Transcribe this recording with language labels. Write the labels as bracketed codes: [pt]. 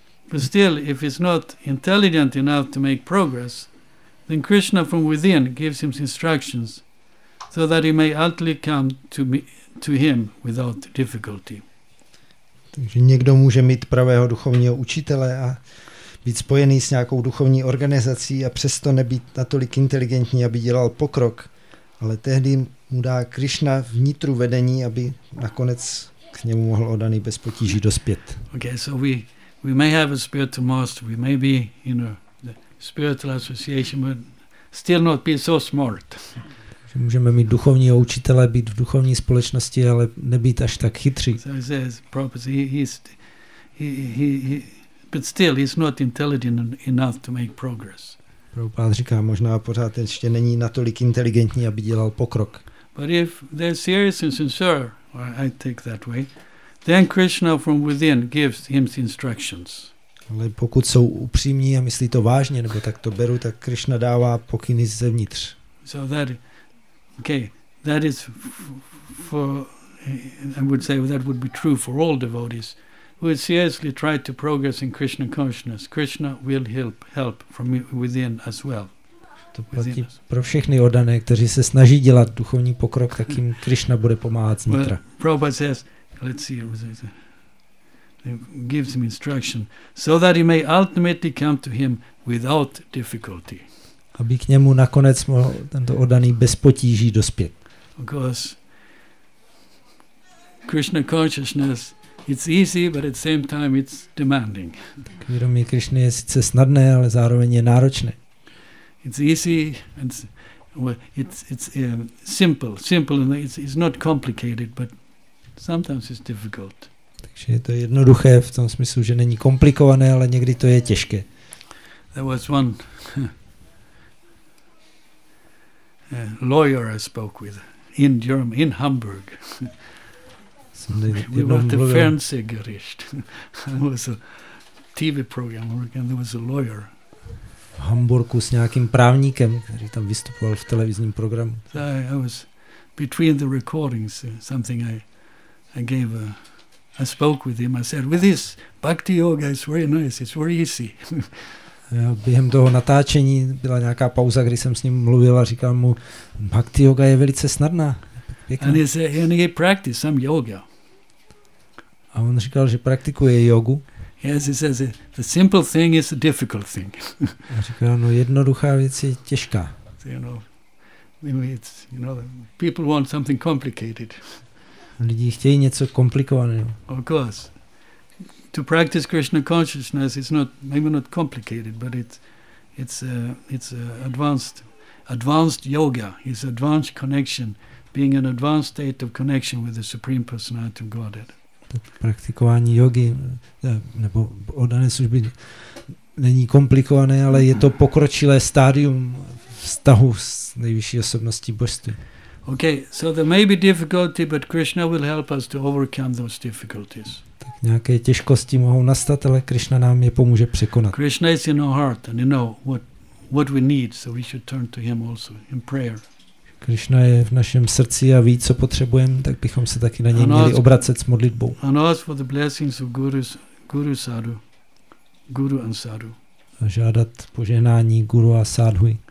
[en] But still, if he's not intelligent enough to make progress, then Krishna from within gives him instructions so that he may ultimately come to him without difficulty. [cs] Takže někdo může mít pravého duchovního učitele a být spojený s nějakou duchovní organizací a přesto nebýt natolik inteligentní, aby dělal pokrok, ale tehdy mu dá Krishna vnitru vedení, aby nakonec k němu mohl oddaný bez potíží dospět. [en] Okay, so we may have a spiritual master, we may be, you know, spiritual association, but still not be so smart. [cs] Můžeme mít duchovního učitele, být v duchovní společnosti, ale nebýt až tak chytří. [en] So he says, prophecy, he, but still he's not intelligent enough to make progress. [cs] Prabhupád říká, možná pořád ještě není natolik inteligentní, aby dělal pokrok. [en] But if they're serious and sincere, or I take that way, then Krishna from within gives him the instructions. [cs] Ale pokud jsou upřímní a myslí to vážně, nebo tak to beru, tak Krishna dává pokyny zevnitř. [en] So that, okay, that is for, I would say that would be true for all devotees who seriously try to progress in Krishna consciousness. Krishna will help from within as well. [cs] To platí pro všechny oddané, kteří se snaží dělat duchovní pokrok, tak jim Krishna bude pomáhat zvnitra. [en] Well, Prabhupada says, let's see, what is it? Gives him instruction so that he may ultimately come to him without difficulty. [cs] Aby k němu nakonec mohl tento oddaný bez potíží dospět. [en] Because Krishna consciousness, it's easy, but at the same time it's demanding. [cs] Tak vědomí Krishna je sice snadné, ale zároveň je náročné. [en] It's easy and it's simple and it's not complicated, but sometimes it's difficult. [cs] Takže je to jednoduché v tom smyslu, že není komplikované, ale někdy to je těžké. [en] There was one lawyer I spoke with in Germany, in Hamburg. We were at the Fernsehgericht. There was a TV program and there was a lawyer. [cs] V Hamburgu s nějakým právníkem, který tam vystupoval v televizním programu. [en] So I was between the recordings, something I gave a I spoke with him. I said, "With this bhakti yoga, it's very nice. It's very easy." [cs] Během toho natáčení byla nějaká pauza, kdy jsem s ním mluvil a říkal mu, bhakti yoga je velice snadná. [en] And he said, "And he practiced some yoga." [cs] A on říkal, že praktikuje jogu. [en] Yes, he says the simple thing is a difficult thing. [cs] A říká, no, jednoduchá věc je těžká. [en] So, you know, maybe it's, you know, people want something complicated. [cs] Lidi chtějí něco komplikovaného. [en] Of course, to practice Krishna consciousness is not maybe not complicated, but it's advanced yoga. It's advanced connection, being an advanced state of connection with the Supreme Personality of Godhead. [cs] Praktikování jogy nebo oddané služby není komplikované, ale je to pokročilé stádium vztahu s nejvyšší osobností božství. [en] Okay, so there may be difficulty, but Krishna will help us to overcome those difficulties. [cs] Tak nějaké těžkosti mohou nastat, ale Krishna nám je pomůže překonat. [en] Krishna is in our heart and you know what we need, so we should turn to him also in prayer. [cs] Krishna je v našem srdci a ví, co potřebujeme, tak bychom se taky na něj měli obracet s modlitbou. [en] And ask for the blessings of guru sadhu, guru and sadhu. [cs] A žádat požehnání guru a sadhu.